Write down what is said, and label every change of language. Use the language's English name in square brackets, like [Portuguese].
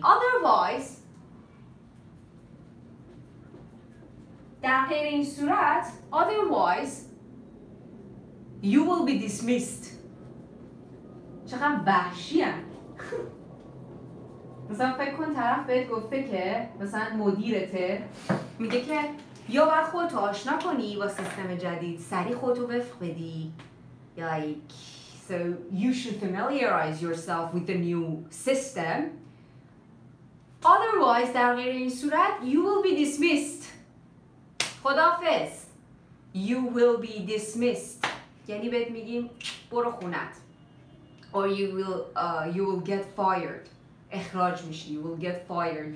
[English] Otherwise، [Persian] در غیر این صورت، [English] otherwise you will be dismissed. [Persian] چقدر وحشی هم. مثلا فکر کن طرف بهت گفته که مثلا مدیرته میگه که یا باید خودتو آشنا کنی با سیستم جدید، سریع خودتو وفق بدی. [English] Like, so you should familiarize yourself with the new system. Otherwise، [Persian] در غیر این صورت، [English] you will be dismissed. [Persian] خداحافظ. [English] You will be dismissed. [Persian] یعنی بهت میگیم برو خونت. [English] Or you will get fired. [Persian] اخراج میشی. [English] You will get fired.